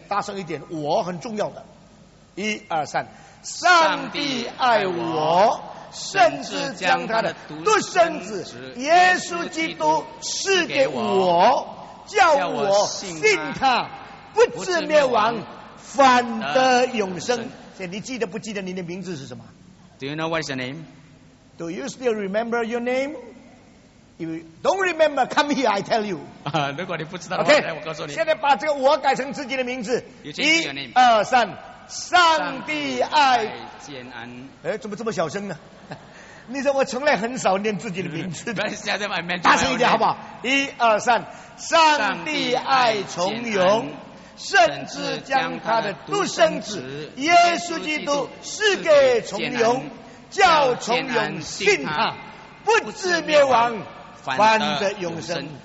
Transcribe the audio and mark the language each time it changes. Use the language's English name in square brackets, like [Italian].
[Chinese] 大声一点，我很重要的，一二三，上帝爱我，甚至将他的独生子耶稣基督赐给我，叫我信他不至灭亡，反得永生。你记得不记得你的名字是什么？ [English] Do you know what is your name? Do you still remember your name? If you don't remember, come here, I tell you. [Chinese] 如果你不知道的话， [English] okay, [Chinese] 我告诉你。现在把这个我改成自己的名字。 [English] You change your name. [Chinese] 一二三，上帝爱建安。哎，怎么这么小声呢？你说我从来很少念自己的名字。大声一点好不好？一二三，上帝爱从容，甚至将他的独生子耶稣基督赐给从容，叫从容信他不至灭亡，反得永生。